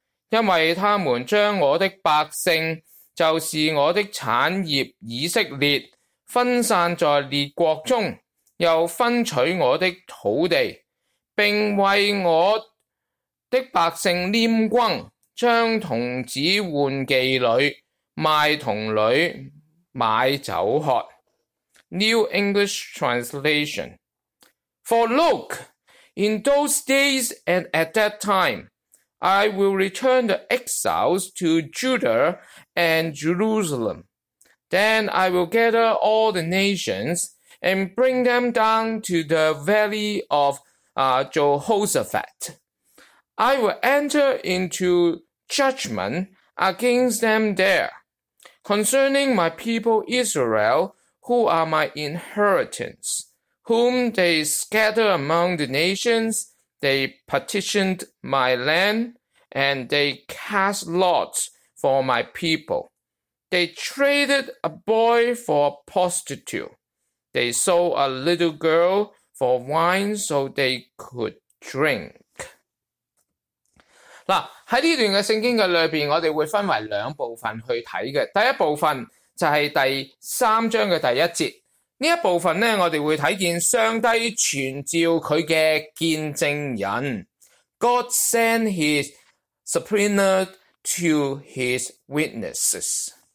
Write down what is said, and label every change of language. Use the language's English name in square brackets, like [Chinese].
[Chinese] 因为他们将我的百姓，就是我的产业以色列，分散在列国中，又分取我的土地，并为我的百姓拈军，将童子换妓女，卖童女，买酒喝。 [English] New English Translation. For look, in those days and at that time, I will return the exiles to Judah and Jerusalem. Then I will gather all the nations and bring them down to the valley of Jehoshaphat. I will enter into judgment against them there. Concerning my people Israel,who are my inheritance, whom they scatter among the nations, they partitioned my land, and they cast lots for my people. They traded a boy for a prostitute. They sold a little girl for wine so they could drink. [Chinese] 在这段的圣经里面，我们会分为两部分去看的。第一部分就是第三章的第一节。这一部分呢，我们会看见上帝传召他的见证人。 [English] God sent his subpoenaer to his witnesses.